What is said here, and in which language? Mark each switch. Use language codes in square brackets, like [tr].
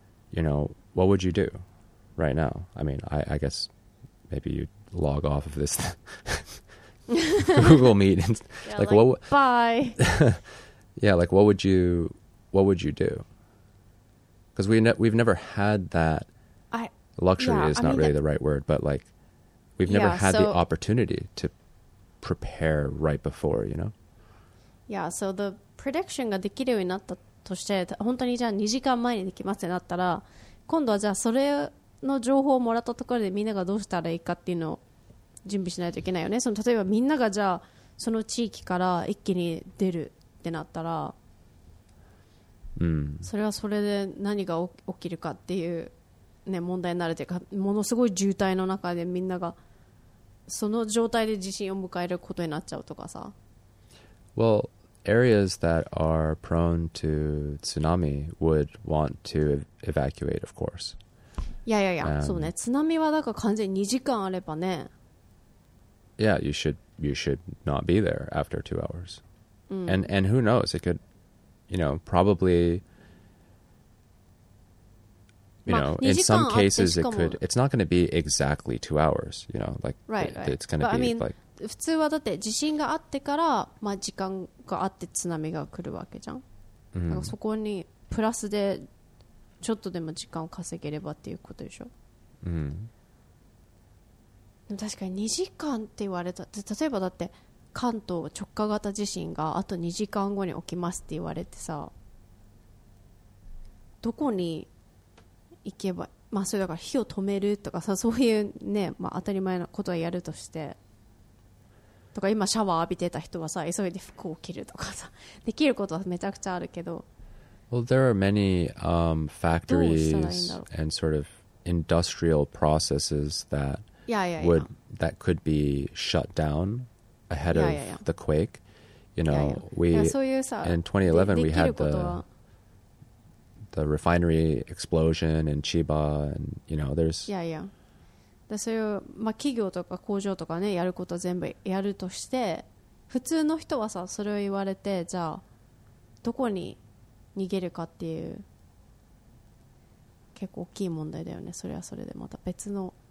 [en] You know, what would you do right now? I mean, I guess maybe you'd log off of this Google Meet and what would you do? Because we've never had that luxury the opportunity to prepare right before, you know? Yeah, so the prediction [ja] ができるようになったとして、本当にじゃあ2時間前にできますってなったら、今度はじゃあそれの情報をもらったところでみんながどうしたらいいかっていうのを準備しないといけないよね。その例えばみんながじゃあその地域から一気に出るってなったら、それはそれで何が起きるかっていう、ね、問題になるというか、ものすごい渋滞の中でみんながその状態で地震を迎えることになっちゃうとかさ。 [en] Well, areas that are prone to tsunami would want to evacuate, of course. [ja] そうね、津波はだから完全に2時間あればね。 [en] Yeah, you should not be there after 2 hours. And who knows, it could, you know, probably, you know, in some cases it could, it's not going to be exactly 2 hours, you know, like, it's going to be, I mean, like, [ja] 普通はだって地震があってから、まあ、時間があって津波が来るわけじゃん。だからそこにプラスでちょっとでも時間を稼げればっていうことでしょ。確かに2時間って言われた、例えばだって関東直下型地震があと2時間後に起きますって言われてさ、どこに行けば、まあそれだから火を止めるとかさ、そういうね、まあ、当たり前のことはやるとして、とか今シャワー浴びてた人はさ急いで服を着るとかさ、できることはめちゃくちゃあるけど、 [en] Well, there are many factories and sort of industrial processes that that could be shut downdown ahead of the quake, you know, in 2011 we had the refinery explosion in Chiba, and you know, there's [ja] そういう、まあ、企業とか工場とかね、やることは全部やるとして、普通の人はさそれを言われてじゃあどこに逃げるかっていう結構大きい問題だよねそれはそれでまた別の